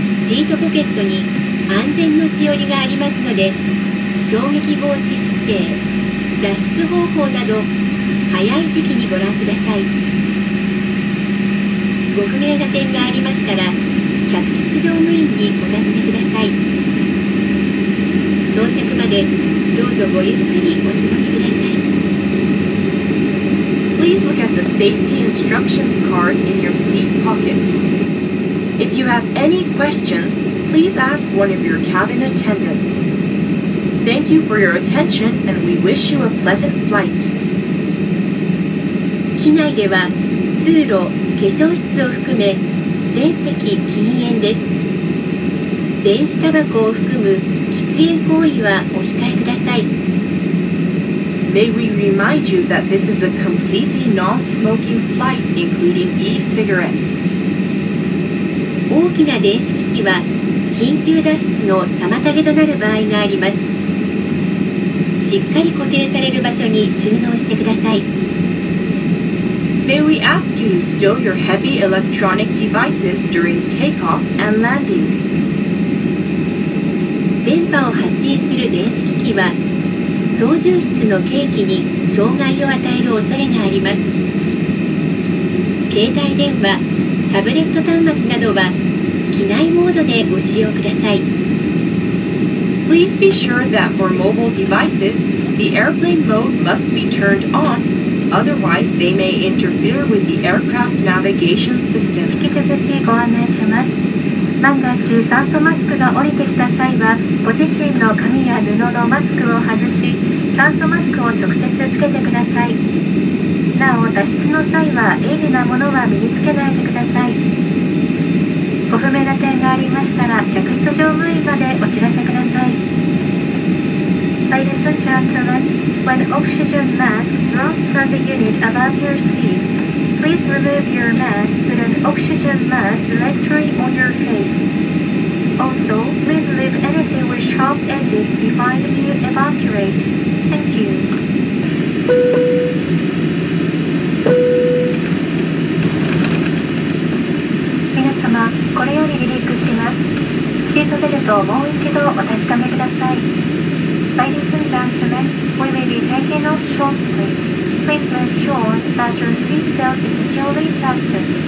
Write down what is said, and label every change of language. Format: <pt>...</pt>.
<ja>シートポケットに安全のしおりがありますので、衝撃防止姿勢、脱出方法など早い時期にご覧ください。ご不明な点がありましたら客室乗務員にお尋ねください。到着までどうぞごゆっくりお過ごしください。</ja> <en>Please look at the safety instructions card in your seat pocket. If you have any questions, please ask one of your cabin attendants. Thank you for your attention and we wish you a pleasant flight.</en> <ja>機内では通路、化粧室を含め全席禁煙です。電子タバコを含む喫煙行為はお控えください。</ja> <en>May we remind you that this is a completely non-smoking flight, including e-cigarettes.</en> <ja>大きな電子機器は緊急脱出の妨げとなる場合があります。しっかり固定される場所に収納してください。</ja> <en>May we ask you to stow your heavy electronic devices during takeoff and landing.</en> <ja>電波を発信する電子機器は操縦室の計器に障害を与える恐れがあります。携帯電話、タブレット端末などは機内モードでご使用ください。</ja> <en>Please be sure that for mobile devices, the airplane mode must be turned on, otherwise they may interfere with the aircraft navigation system.</en> <ja>引き続きご案内します。万が一酸素マスクが降りてきた際はご自身の髪や布のマスクを外し酸素マスクを直接つけてください。なお脱出の際は鋭利なものは身につけないでください。ご不明な点がありましたら、客室乗務員までお知らせください。</ja> <en>Ladies and gentlemen, when oxygen mask drops from the unit above your seat, please remove your mask with an oxygen mask directly on your face. Also, please leave anything with sharp edges behind you evacuate. Thank you.</en> <ja>これより離陸します。シートベルトをもう一度お確かめください。</ja> <en>Ladies and gentlemen, we may be taking off shortly. Please make sure that your seatbelt is securely fastened.</en>